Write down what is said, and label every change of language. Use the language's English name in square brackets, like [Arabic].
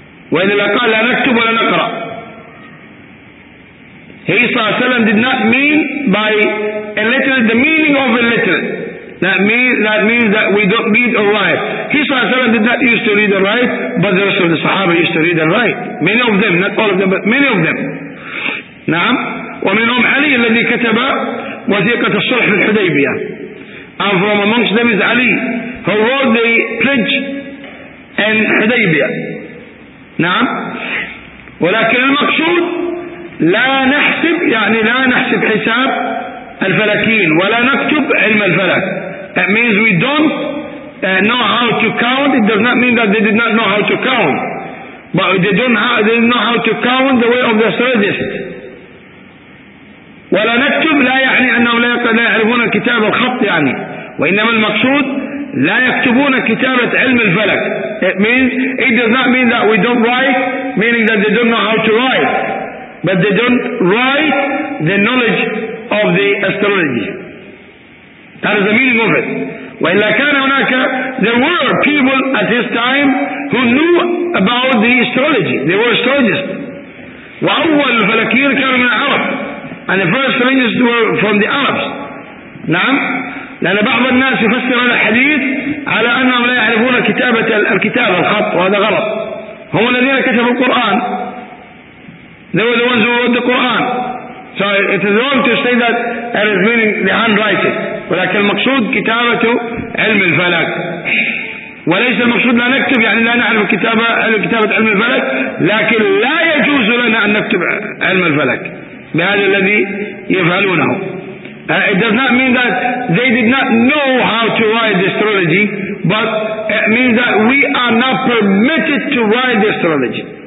[Arabic] وإن لا قال لا نكتب ولا نقرأ. [English] He صلى الله عليه وسلم did not mean by a letter the meaning of a letter. That means that we don't read or write. He صلى الله عليه وسلم did not used to read or write, but the rest of the Sahaba used to read and write. Many of them, not all of them, but many of them. [Arabic] نعم. ومنهم علي الذي كتب وثيقة الصلح في الحديبية. [English] And from amongst them is Ali, who wrote the pledge in Hudaybiya. [Arabic] نعم. ولكن المقصود لا نحسب، يعني لا نحسب حساب الفلكين ولا نكتب علم الفلك. [English] That means we don't know how to count. It does not mean that they did not know how to count, but they didn't know how to count the way of the astrologist. [Arabic] ولا نكتب لا يعني أنهم لا يعرفون الكتاب الخط يعني، وإنما المقصود لا يكتبون كتابة علم الفلك. [English] It does not mean that we don't write, meaning that they don't know how to write, but they don't write the knowledge of the astrology. That is the meaning of it. [Arabic] وإلا كان هناك [English] there were people at his time who knew about the astrology. They were astrologists. [Arabic] وأول الفلكيين كانوا من العرب. [English] And the first astrologists were from the Arabs. [Arabic] نعم. لأن بعض الناس يفسر الحديث على أنهم لا يعرفون كتابة الكتاب الخط، وهذا غلط. هم الذين كتبوا القرآن. [English] They were the ones who wrote the Quran. So it is wrong to say that it is meaning the handwriting. [Arabic] ولكن المقصود كتابة علم الفلك. وليس المقصود لا نكتب يعني لا نعرف كتابة علم الفلك، لكن لا يجوز لنا أن نكتب علم الفلك بهذا الذي يفعلونه. [English] It does not mean that they did not know how to write astrology, but it means that we are not permitted to write astrology.